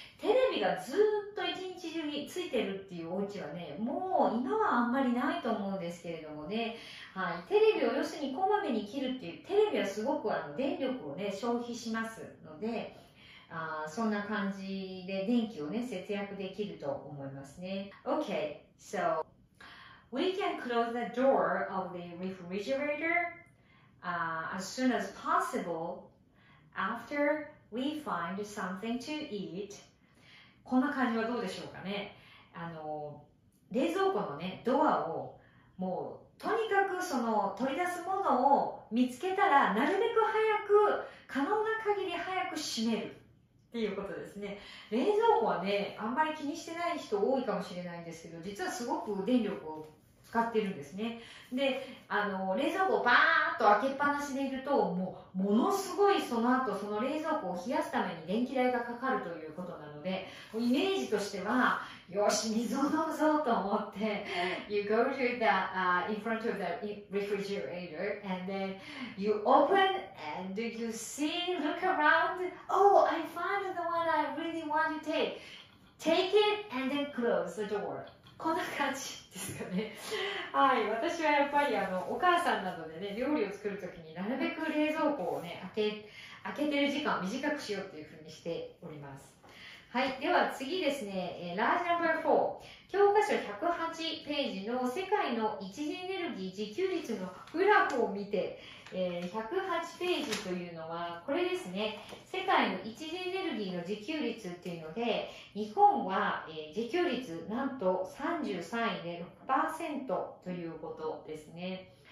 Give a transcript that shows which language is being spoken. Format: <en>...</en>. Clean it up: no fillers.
<ja>テレビがずっと一日中についてるっていうお家はね、もう今はあんまりないと思うんですけれどもね。はい。テレビを要するにこまめに切るっていう、テレビはすごく電力をね、消費しますので、そんな感じで電気をね、節約できると思いますね。</ja> <en>Okay, so, we can close the door of the refrigerator, as soon as possible after we find something to eat.</en> <ja>こんな感じはどうでしょうかね。冷蔵庫のね、ドアを、もう、とにかくその、取り出すものを見つけたら、なるべく早く、可能な限り早く閉めるっていうことですね。冷蔵庫はね、あんまり気にしてない人多いかもしれないんですけど、実はすごく電力を使ってるんですね。で、冷蔵庫をバーッと開けっぱなしでいると、もう、ものすごいその後、その冷蔵庫を冷やすために電気代がかかるということなので、イメージとしては、よし、水を飲むぞと思って、</ja> <en>you go to the, in front of the refrigerator, and then you open, and you see, look around, oh, I found the one I really want to take. Take it, and then close the door.</en> <ja>こんな感じですかね。はい、私はやっぱりお母さんなのでね、料理を作るときになるべく冷蔵庫をね、開けてる時間を短くしようというふうにしております。はい、では次ですね、ラージナンバー4、教科書108ページの世界の一次エネルギー自給率のグラフを見て、108ページというのはこれですね、世界の一次エネルギーの自給率っていうので、日本は、自給率なんと33位で 6% ということですね。</ja>